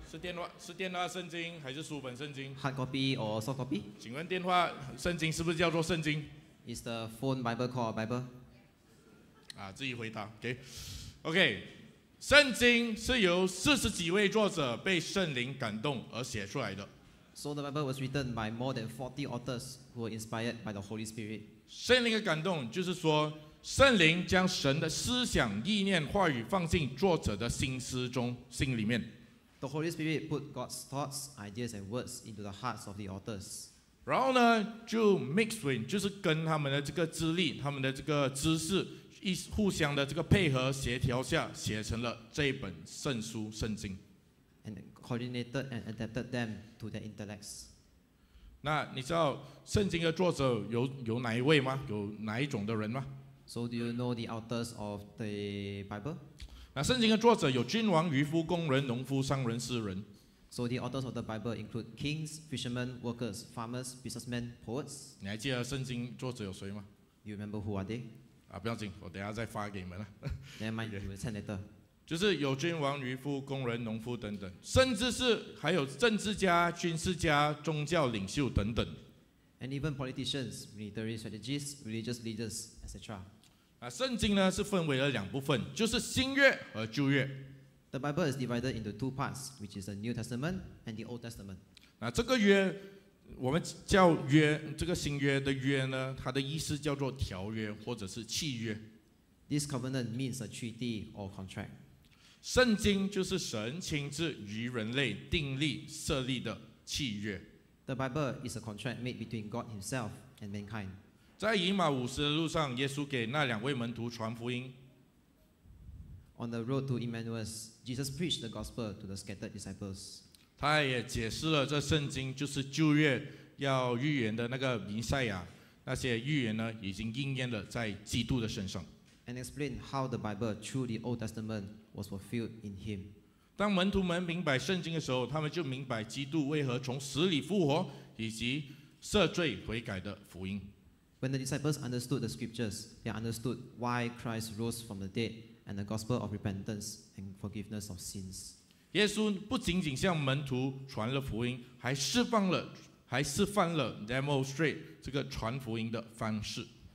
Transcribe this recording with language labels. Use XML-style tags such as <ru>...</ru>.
<zh>是电话，是电话圣经还是书本圣经？</zh> <en>Hard copy or soft copy？</en> <zh>请问电话圣经是不是叫做圣经？</zh> <en>Is the phone Bible called Bible？</en> <zh>啊，自己回答。 OK， OK， 圣经是由四十几位作者被圣灵感动而写出来的。</zh> <en>So the Bible was written by more than 40 authors who were inspired by the Holy Spirit。</en> <zh>圣灵的感动就是说，圣灵将神的思想、意念、话语放进作者的心思中、心里面。</zh> <en>The Holy Spirit put God's thoughts, ideas, and words into the hearts of the authors.</en> <zh>然后呢，就</zh> <en>mix with，</en> <zh>就是跟他们的这个资历、他们的这个知识一互相的这个配合协调下，写成了这本圣书《圣经》。</zh> <en>And coordinated and adapted them to their intellects.</en> <zh>那你知道圣经的作者 有哪一位吗？有哪一种的人吗？</zh> <en>So do you know the authors of the Bible?</en> <zh>那圣经的作者有君王、渔夫、工人、农夫、商人、诗人。</zh> <en>So the authors of the Bible include kings, fishermen, workers, farmers, businessmen, poets.</en> <zh>你还记得圣经作者有谁吗？</zh> <en>You remember who are they?</en> <zh>啊，不要紧，我等下再发给你们了。</zh> <en>Never mind, you will send later.</en> <zh>就是有君王、渔夫、工人、农夫等等，甚至是还有政治家、军事家、宗教领袖等等。</zh> <en>And even politicians, military strategists, religious leaders, etc.</en> <zh>圣经呢是分为了两部分，就是新约和旧约。</zh> <en>The Bible is divided into two parts, which is the New Testament and the Old Testament.</en> <zh>那这个约，我们叫约，这个新约的约呢，它的意思叫做条约或者是契约。</zh> <en>This covenant means a treaty or contract.</en> <zh>圣经就是神亲自与人类订立设立的契约。</zh> <en>The Bible is a contract made between God Himself and mankind.</en> <zh>在以马忤斯的路上，耶稣给那两位门徒传福音。</zh> <en>On the road to Emmaus, Jesus preached the gospel to the scattered disciples.</en> <zh>他也解释了这圣经就是旧约要预言的那个弥赛亚，那些预言呢已经应验了在基督的身上。</zh> <en>And explained how the Bible through the Old Testament was fulfilled in Him.</en> <zh>当门徒们明白圣经的时候，他们就明白基督为何从死里复活，以及赦罪悔改的福音。</zh> <en>When the disciples understood the scriptures, they understood why Christ rose from the dead and the gospel of repentance and forgiveness of sins.</en> <zh>耶稣不仅仅向门徒传了福音，还释放了，还示范了</zh> <en>demonstrate</en> <zh>这个传福音的方式。</zh>